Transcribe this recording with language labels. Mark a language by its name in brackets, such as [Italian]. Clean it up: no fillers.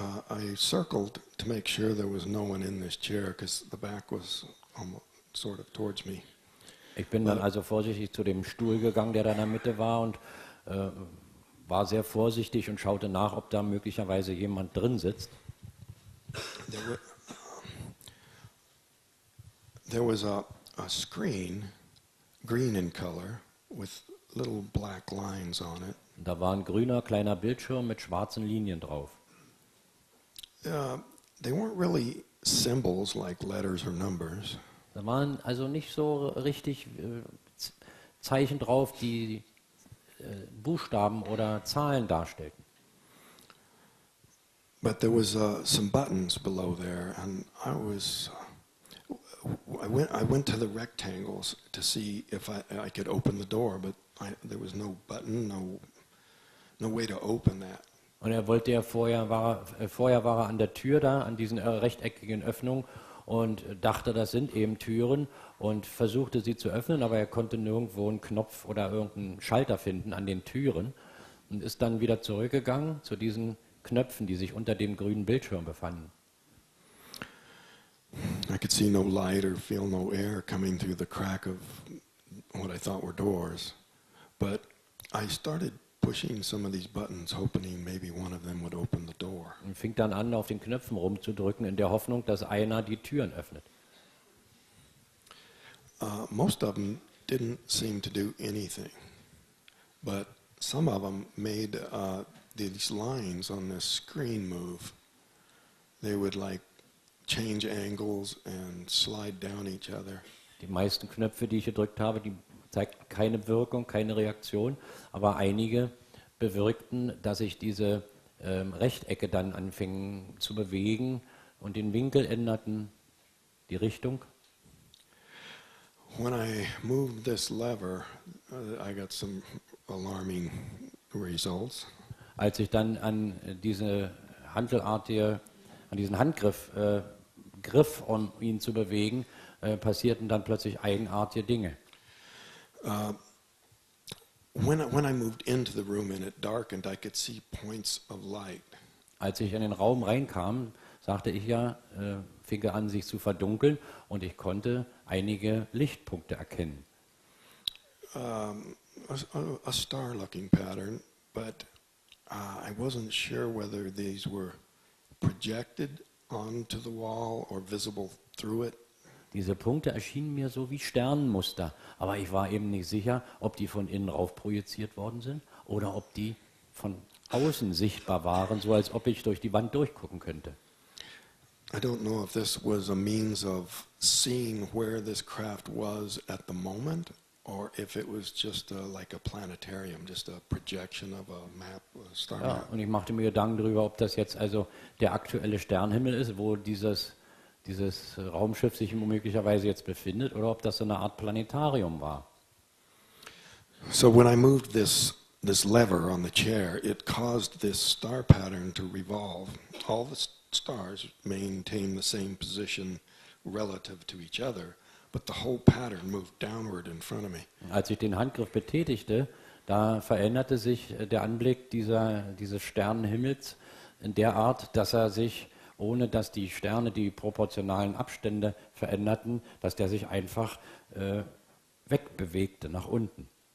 [English] I circled to make sure there was no one in this chair, because the back was almost sort of towards me. [German] Ich bin dann also vorsichtig zu dem Stuhl gegangen, der da in der Mitte war, und war sehr vorsichtig und schaute nach, ob da möglicherweise jemand drin sitzt. [English] There was a screen, green in color, with little black lines on it. [German] Da war ein grüner kleiner Bildschirm mit schwarzen Linien drauf. [English] They weren't really symbols like letters or numbers. [German] Da waren also nicht so richtig Zeichen drauf, die Buchstaben oder Zahlen darstellten. [English] But there was some buttons below there, and I was I went to the rectangles to see if I could open the door, but there was no button, no way to open that. [German] Und er wollte ja vorher war er an der Tür da, an diesen rechteckigen Öffnungen, und dachte, das sind eben Türen, und versuchte sie zu öffnen, aber er konnte nirgendwo einen Knopf oder irgendeinen Schalter finden an den Türen und ist dann wieder zurückgegangen zu diesen Knöpfen, die sich unter dem grünen Bildschirm befanden. [English] I could see no light or feel no air coming through the crack of what I thought were doors, but I started pushing some of these buttons, hoping maybe one of them would open the door. [German] Und fing dann an, auf den Knöpfen rumzudrücken, in der Hoffnung, dass einer die Türen öffnet. [English] Most of them didn't seem to do anything, but some of them made these lines on this screen move. They would like change angles and slide down each other. [German] Die meisten Knöpfe, die ich gedrückt habe, die zeigten keine Wirkung, keine Reaktion, aber einige bewirkten, dass sich diese Rechtecke dann anfingen zu bewegen und den Winkel änderten, die Richtung. [English] When I moved this lever, I got some alarming results. [German] Als ich dann an diese handelartige, an diesen Handgriff griff, um ihn zu bewegen, passierten dann plötzlich eigenartige Dinge. [English] When I moved into the room and it darkened, I could see points of light. [German] Als ich in den Raum reinkam, sagte ich ja, fing er an, sich zu verdunkeln, und ich konnte einige Lichtpunkte erkennen. [English] A star-looking pattern, but I wasn't sure whether these were projected onto the wall or visible through it. [German] Diese Punkte erschienen mir so wie Sternenmuster, aber ich war eben nicht sicher, ob die von innen rauf projiziert worden sind oder ob die von außen sichtbar waren, so als ob ich durch die Wand durchgucken könnte. [English] I don't know if this was a means of seeing where this craft was at the moment or if it was just like a planetarium, just a projection of a map, a star map. [German] Ja, und ich machte mir Gedanken darüber, ob das jetzt also der aktuelle Sternhimmel ist, wo dieses Raumschiff sich möglicherweise jetzt befindet, oder ob das so eine Art Planetarium war. [English] So when I moved this lever on the chair, it caused this star pattern to revolve. All the stars maintain the same position relative to each other, but the whole pattern moved downward in front of me. [German] Als ich den Handgriff betätigte, da veränderte sich der Anblick dieses Sternenhimmels in der Art, dass er sich, ohne dass die Sterne die proportionalen Abstände veränderten, dass der sich einfach wegbewegte nach unten.